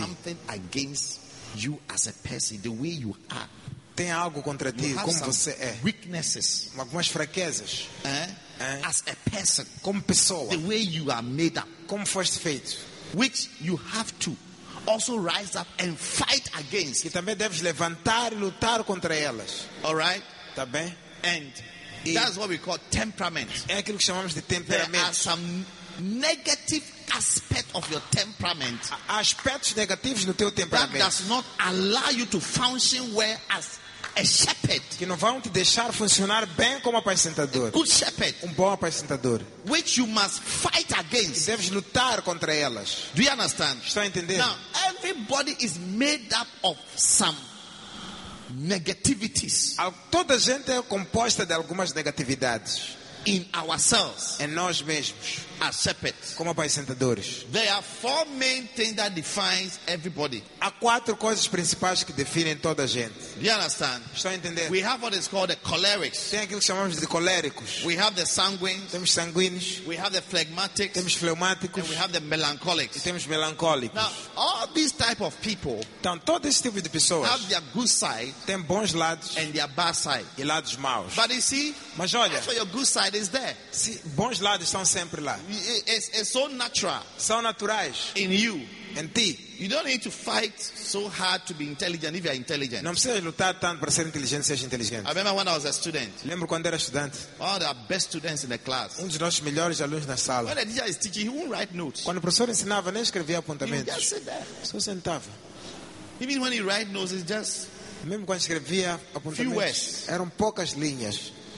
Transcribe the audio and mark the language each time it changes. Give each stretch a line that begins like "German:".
English: Something against you as a person, the way you are.
Portuguese: Tem algo contra
English: you
Portuguese: ti,
English: have
Portuguese: como
English: some
Portuguese: você é.
English: Weaknesses.
Portuguese: Algumas fraquezas.
English: As a person,
Portuguese: como pessoa.
English: The way you are made up.
Portuguese: Como foste feito.
English: Which you have to also rise up and fight against.
Portuguese: Que também deves levantar e lutar contra elas.
English: All right?
Portuguese: Tá bem?
English: And that's what we call temperament.
Portuguese: É aquilo que chamamos de temperamento.
English: There are some negative aspects of your temperament.
Portuguese: Aspectos negativos no teu temperamento.
English: That does not allow you to function well as a shepherd.
Portuguese: Que não vão te deixar funcionar bem como apacentador.
English: A good shepherd.
Portuguese: Um bom apacentador.
English: Which you must fight against.
Portuguese: E deves lutar contra elas.
English: Do you understand?
Portuguese: Estão a entender?
English: Now, everybody is made up of some negativities.
Portuguese: Toda a gente é composta de algumas negatividades.
English: In ourselves.
Portuguese: Em nós mesmos.
English: As shepherds.
Portuguese: Como apacentadores.
English: There are four main things that defines everybody.
Portuguese: Há quatro coisas principais que definem toda a gente.
English: You understand?
Portuguese: Estão a entender?
English: We have what is called the colerics.
Portuguese: Tem aquilo que chamamos de coléricos.
English: We have the sanguines.
Portuguese: Temos sanguíneos.
English: We have the phlegmatics.
Portuguese: Temos fleumáticos.
English: And we have the melancholics.
Portuguese: E temos melancólicos.
English: Now, all these type of people.
Portuguese: Então, todo esse tipo de pessoas.
English: Have their good side.
Portuguese: Tem bons lados.
English: And their bad side.
Portuguese: E lados maus.
English: But you see.
Portuguese: Mas olha.
English: For your good side is there.
Portuguese: Se, bons lados estão sempre lá.
English: It's so natural.
Portuguese: São naturais.
English: In you.
Portuguese: And ti.
English: You don't need to fight so hard to be intelligent if you are intelligent.
Portuguese: Não precisa lutar tanto para ser inteligente, seja inteligente.
English: I remember when I was a student.
Portuguese: Lembro quando era estudante.
English: One of the best students in the class.
Portuguese: Um dos nossos melhores alunos na sala.
English: When the teacher is teaching, he won't write notes.
Portuguese: Quando o professor ensinava, nem escrevia apontamentos.
English: He just sit there.
Portuguese: Só sentava.
English: Even when he write notes, it's just.
Portuguese: Mesmo quando escrevia apontamentos.
English: Few words.
Portuguese: Eram poucas linhas.